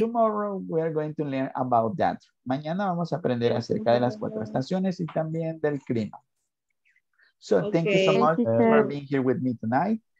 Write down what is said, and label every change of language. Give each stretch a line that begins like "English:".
English: Tomorrow we are going to learn about that.
Spanish: Mañana vamos a aprender acerca de las cuatro estaciones y también del clima.
English: So, okay. Thank you so much for being here with me tonight.